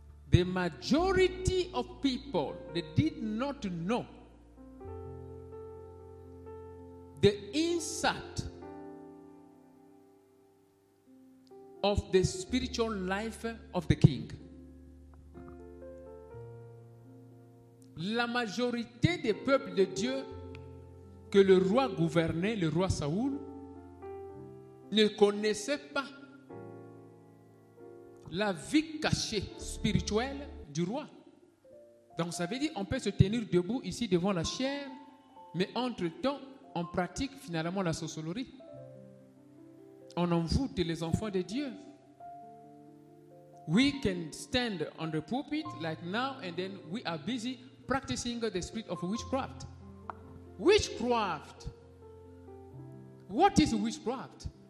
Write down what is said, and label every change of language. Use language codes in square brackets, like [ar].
[en] The majority of people, they did not know the insight of the spiritual life of the king. [fr] La majorité des peuples de Dieu que le roi gouvernait, le roi Saul, ne connaissait pas la vie cachée spirituelle du roi. Donc ça veut dire qu'on peut se tenir debout ici devant la chair, mais entre-temps, on pratique finalement la sorcellerie. on envoûte les enfants de Dieu. [en] We can stand on the pulpit like now and then we are busy practicing the spirit of witchcraft. Witchcraft. What is witchcraft?